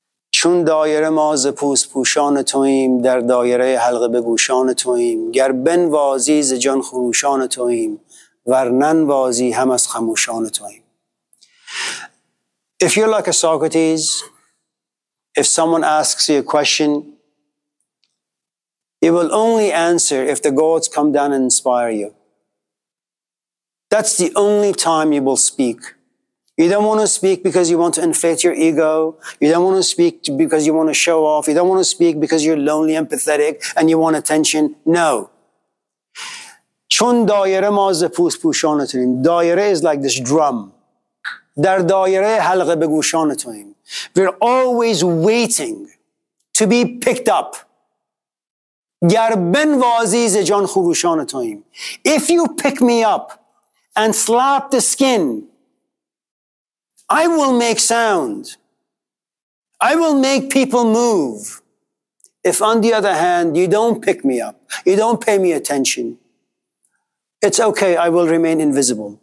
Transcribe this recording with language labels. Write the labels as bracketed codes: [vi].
[fa] چون دایره ما ز پوست پوشان توییم در دایره حلقه به گوشان توییم گر بنوازی ز جان خروشان توییم ور ننوازی هم از خموشان توییم. [en] If you're like a Socrates, if someone asks you a question, you will only answer if the gods come down and inspire you. That's the only time you will speak. You don't want to speak because you want to inflate your ego. You don't want to speak because you want to show off. You don't want to speak because you're lonely and pathetic and you want attention. No. [fa] چون دایره ما ز پوست پوشان توییم. [en] دایره is like this drum. [fa] در دایره حلقه به گوشان توییم. [en] We're always waiting to be picked up. [fa] گر بنوازی ز جان خروشان توییم. [en] If you pick me up and slap the skin, I will make sound. I will make people move. If on the other hand, you don't pick me up, you don't pay me attention, it's okay, I will remain invisible.